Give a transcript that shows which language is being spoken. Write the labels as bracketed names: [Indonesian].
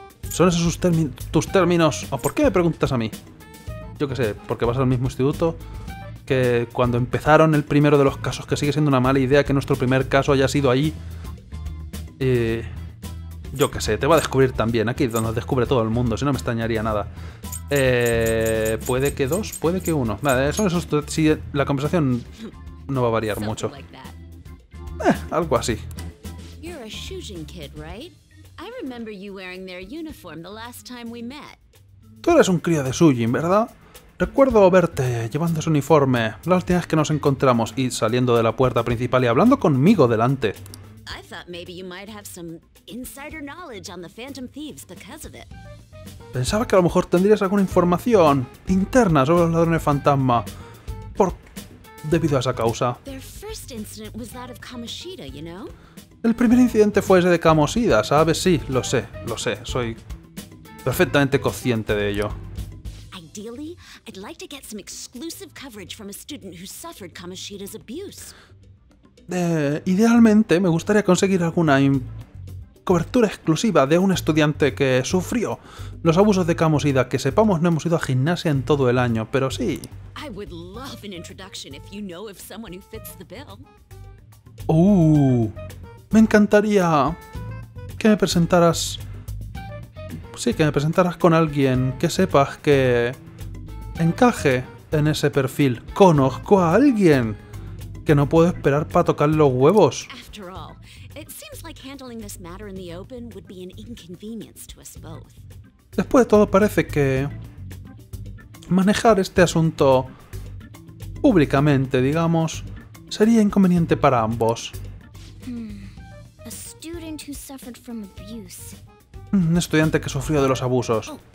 [Spanish] ¿Son esos tus términos? ¿O por qué me preguntas a mí? Yo qué sé, porque vas al mismo instituto que cuando empezaron el primero de los casos, que sigue siendo una mala idea que nuestro primer caso haya sido ahí. Yo qué sé, te va a descubrir también. Aquí donde descubre todo el mundo, si no me extrañaría nada. Puede que dos, puede que uno. Vale, son esos. Si la conversación no va a variar mucho. Algo así. [English] You're a Shujin kid, right? I remember you wearing their uniform the last time we met. [Spanish] Tú eres un crío de Shujin, ¿verdad? Recuerdo verte llevando ese uniforme la última vez que nos encontramos y saliendo de la puerta principal y hablando conmigo delante. [English] I thought maybe you might have some insider knowledge on the Phantom Thieves because of it. [Spanish] Pensaba que a lo mejor tendrías alguna información interna sobre los ladrones fantasma por debido a esa causa. [English] Their first incident was that of Kamoshida, you know? [Spanish] El primer incidente fue ese de Kamoshida, ¿sabes? Sí, lo sé, soy perfectamente consciente de ello. [English] Ideally, I'd like to get some exclusive coverage from a student who suffered Kamoshida's abuse. [Spanish] Idealmente, me gustaría conseguir alguna cobertura exclusiva de un estudiante que sufrió los abusos de Kamoshida, que sepamos no hemos ido a gimnasia en todo el año, pero sí. [English] I would love an introduction if you know of someone who fits the bill. [Spanish] Me encantaría que me presentaras. Sí, que me presentaras con alguien que sepas que encaje en ese perfil. Conozco a alguien que no puedo esperar para tocarle los huevos. [English] After all, it seems like handling this matter in the open would be an inconvenience to us both. [Spanish] Después de todo, parece que manejar este asunto públicamente, digamos, sería inconveniente para ambos. [English] A student who suffered from abuse. [Spanish] Un estudiante que sufrió de los abusos.